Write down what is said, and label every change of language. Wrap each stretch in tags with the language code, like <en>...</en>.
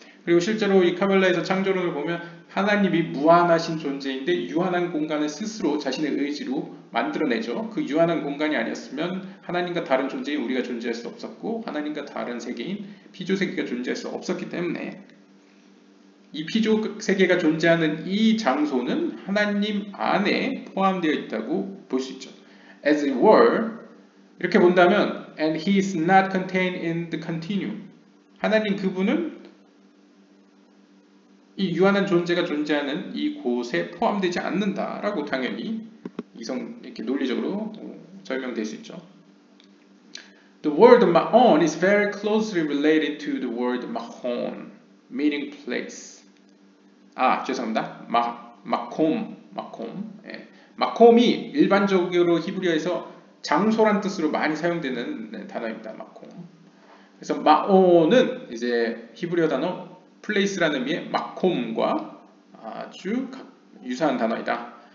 <ko>그리고 실제로 이 카발라에서 창조론을 보면 하나님이 무한하신 존재인데 유한한 공간을 스스로 자신의 의지로 만들어내죠. 그 유한한 공간이 아니었으면 하나님과 다른 존재인 우리가 존재할 수 없었고 하나님과 다른 세계인 피조세계가 존재할 수 없었기 때문에 이 피조세계가 존재하는 이 장소는 하나님 안에 포함되어 있다고 볼 수 있죠.</ko> <en>As it were,</en> <ko>이렇게 본다면</ko> <en>And he is not contained in the continuum.</en> <ko>하나님 그분은 이 유한한 존재가 존재하는 이 곳에 포함되지 않는다라고 당연히 이성 이렇게 논리적으로 설명될 수 있죠.</ko> <en>The word Mahon is very closely related to the word Mahon, meaning place.</en> <ko>아 죄송합니다. Makom. 예. Makom이 일반적으로 히브리어에서 장소란 뜻으로 많이 사용되는 단어입니다. Makom. 그래서 Mahon은 이제 히브리어 단어 place라는 의미의 마콤과 아주 유사한 단어이다.</ko>